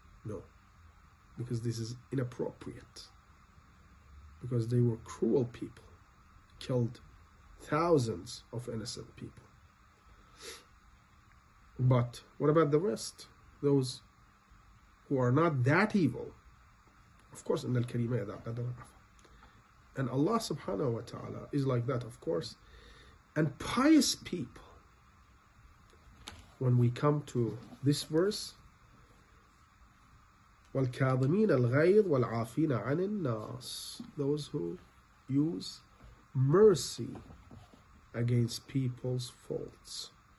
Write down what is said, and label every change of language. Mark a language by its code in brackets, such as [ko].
[en] No, because this is inappropriate. Because they were cruel people, killed thousands of innocent people. But what about the rest? Those who are not that evil. Of course, [ar] إِنَّ الْكَرِيمَ إِذَا قَدَرَ عَفَى. [en] And Allah subhanahu wa ta'ala is like that, of course. And pious people, when we come to this verse, [ar] وَالْكَاظِمِينَ الْغَيْظِ وَالْعَافِينَ عَنِ النَّاسِ, [en] those who use mercy against people's faults.